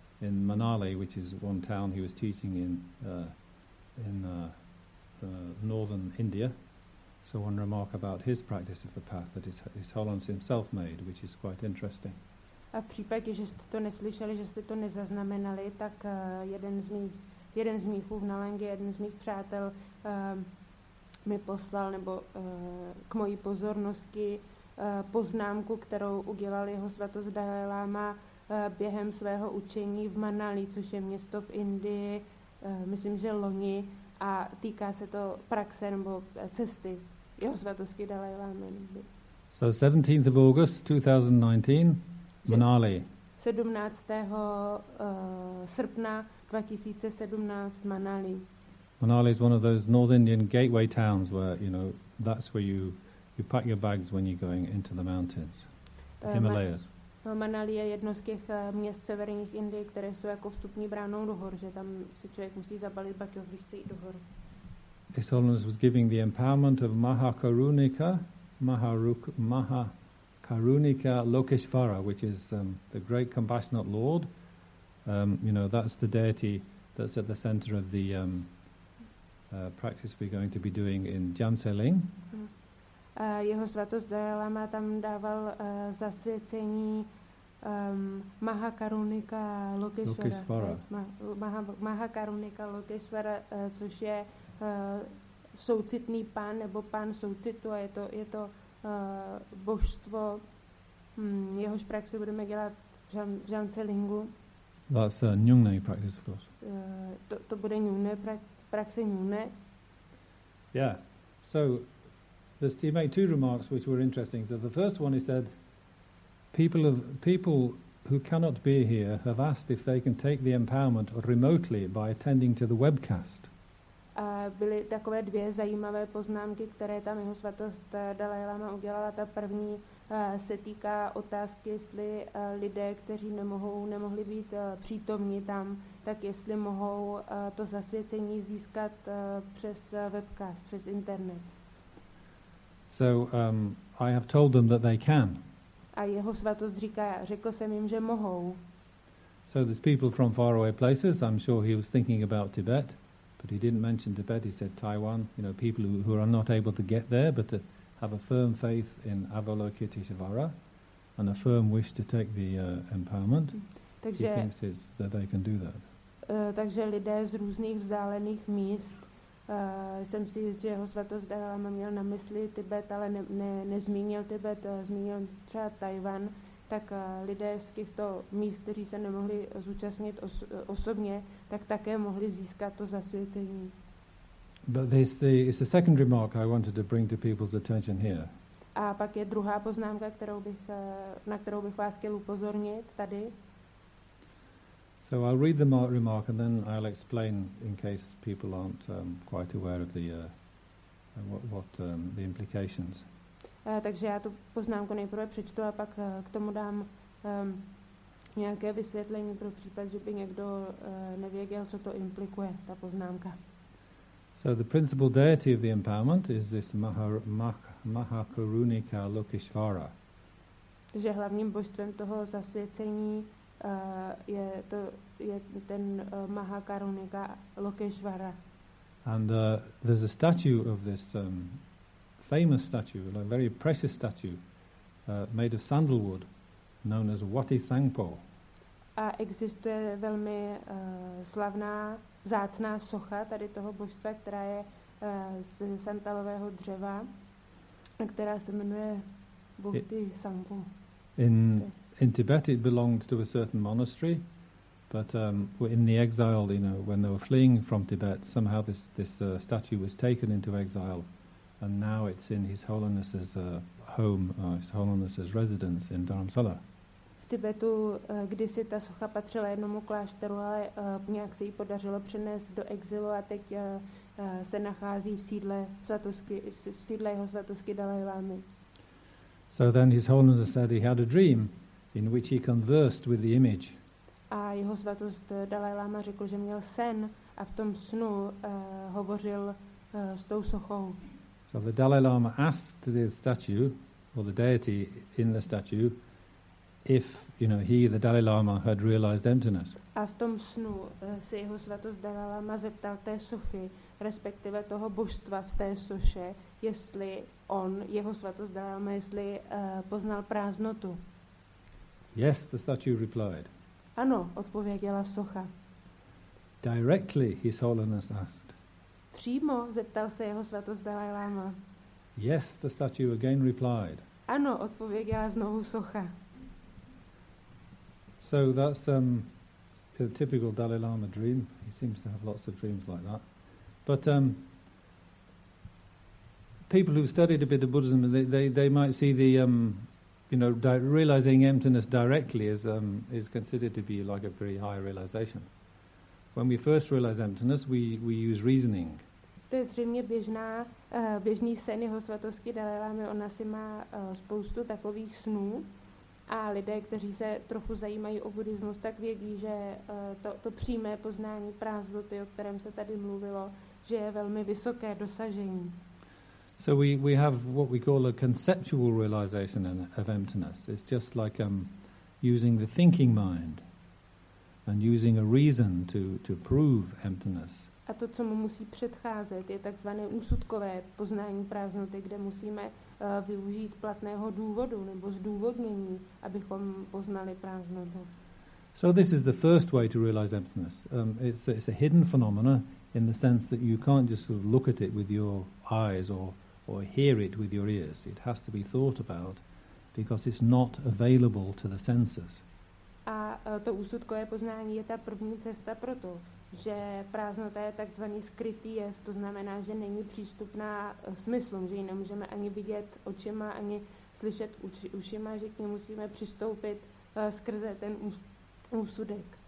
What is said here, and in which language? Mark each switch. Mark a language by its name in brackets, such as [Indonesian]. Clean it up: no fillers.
[English] in Manali, which is one town he was teaching in northern India. So one remark about his practice of the path that his Holiness himself made, which is quite interesting. [Czech] A v případě, že jste to neslyšeli, že jste to nezaznamenali, tak jeden z mých na Lange, jeden z mých přátel mi poslal nebo k mojí pozornosti poznámku, kterou udělal jeho svatost Dalai Lama během svého učení v Manali, což je město v Indii, myslím, že loni, a týká se to praxe nebo cesty jeho svatosti Dalai Lama. [English] So 17th of August 2019, Manali. [Czech] 17. srpna 2017 Manali. [English] Manali is one of those North Indian gateway towns where, you know, that's where you pack your bags when you're going into the mountains, the Himalayas. [Czech] Manali je jedno z těch měst severních Indie, které jsou jako vstupní bránou do hor, že tam si člověk musí zabalit baťoh, když chce jít do hor. [English] His Holiness was giving the empowerment of Mahakarunika, Mahakarunika Lokeshvara, which is the great compassionate Lord. You know, that's the deity that's at the center of the practice we're going to be doing in Jamsaling. [Czech] Jeho svatost Dalai Lama tam dával zasvěcení Mahakarunika Lokeshvara. Mahakarunika Lokeshvara, což je soucitný pán nebo pán soucitu, a je to božstvo. Jehož praxi budeme dělat v Jamsalingu. [English] That's a Nyungne practice, of course. [Czech] To bude praxe Nyungne. [English] Yeah. So he made two remarks which were interesting. So the first one, he said, people who cannot be here have asked if they can take the empowerment remotely by attending to the webcast. [Czech] Byly takové dvě zajímavé poznámky, které tam jeho svatost Dalai Lama udělala. Ta první se týká otázky, jestli lidé, kteří nemohli být přítomni tam, tak jestli mohou to zasvěcení získat přes webcast, přes internet. [English] So I have told them that they can. [Czech] A jeho svatost říká, řekl jsem jim, že mohou. [English] So there's people from far away places. I'm sure he was thinking about Tibet, but he didn't mention Tibet. He said Taiwan. You know, people who are not able to get there, but have a firm faith in Avalokiteshvara and a firm wish to take the empowerment. [Czech] Takže, [English] he thinks is that they can do that. [Czech] Takže lidé z různých vzdálených míst. Jsem si jist, že jeho svatost Dalai Lama měl na mysli Tibet, ale nezmínil Tibet, zmínil třeba Tajvan, tak lidé z těchto míst, kteří se nemohli zúčastnit osobně, tak také mohli získat to zasvěcení. [English] But this is the second remark I wanted to bring to people's attention here. [Czech] A pak je druhá poznámka, na kterou bych vás chtěl upozornit tady. [English] So I'll read the remark and then I'll explain in case people aren't quite aware of the what the implications. [Czech] Takže já tu poznámku nejprve přečtu a pak k tomu dám nějaké vysvětlení pro případ, že by někdo nevěděl, co to implikuje, ta poznámka. [English] So the principal deity of the empowerment is this Mahakarunika Lokeshvara. [Czech] Takže hlavním božstvem toho zasvěcení je ten Mahakarunika Lokeshvara. [English] And there's a statue of this famous statue, a very precious statue made of sandalwood known as Wati Sangpo. [Czech] A existuje velmi slavná, vzácná socha tady toho božstva, která je ze sandalového dřeva, která se jmenuje Wati Sangpo. [English] In Tibet, it belonged to a certain monastery, but in the exile, you know, when they were fleeing from Tibet, somehow this statue was taken into exile, and now it's in His Holiness's home, His Holiness's residence in Dharamsala. [Czech] V Tibetu kdysi ta socha patřila jednomu klášteru, ale nějak se jí podařilo přenést do exilu a teď se nachází v sídle jeho svatosti Dalai Lamy. [English] So then His Holiness said he had a dream in which he conversed with the image. [Czech] A jeho svatost Dalai Lama řekl, že měl sen a v tom snu hovořil s tou sochou. [English] So the Dalai Lama asked the statue, or the deity in the statue, if you know, he, the Dalai Lama, had realized emptiness. [Czech] A v tom snu se jeho svatost Dalai Lama zeptal té sochy, respektive toho božstva v té soše, jestli on, jeho svatost Dalai Lama, jestli poznal prázdnotu. [English] Yes, the statue replied. [Czech] Ano, odpověděla socha. [English] Directly, His Holiness asked. [Czech] Přímo zeptal se jeho svatost Dalai Lama. [English] Yes, the statue again replied. [Czech] Ano, odpověděla znovu socha. [English] So that's a typical Dalai Lama dream. He seems to have lots of dreams like that. But people who've studied a bit of Buddhism, they might see the realizing emptiness directly is considered to be like a pretty high realization. When we first realize emptiness, we use reasoning. [Czech] To je zřejmě běžný sen jeho svatosti Dalai Lamy. Ona si má spoustu takových snů. A lidé, kteří se trochu zajímají o buddhismus, tak vědí, že to přímé poznání prázdnoty, o kterém se tady mluvilo, že je velmi vysoké dosažení. [English] So we have what we call a conceptual realization of emptiness. It's just like using the thinking mind and using a reason to prove emptiness. [Czech] A to, co mu musí předcházet, je takzvané úsudkové poznání prázdnoty, kde musíme využít platného důvodu nebo zdůvodnění, abychom poznali prázdnotu. [English] So this is the first way to realize emptiness. It's a hidden phenomena in the sense that you can't just sort of look at it with your eyes or hear it with your ears. It has to be thought about because it's not available to the senses. [Czech] A to úsudkové poznání je ta první cesta proto, že prázdnota je takzvaný skrytý jev, to znamená, že není přístupná smyslům, že ji nemůžeme ani vidět očima, ani slyšet ušima, že k ní musíme přistoupit skrze ten úsudek.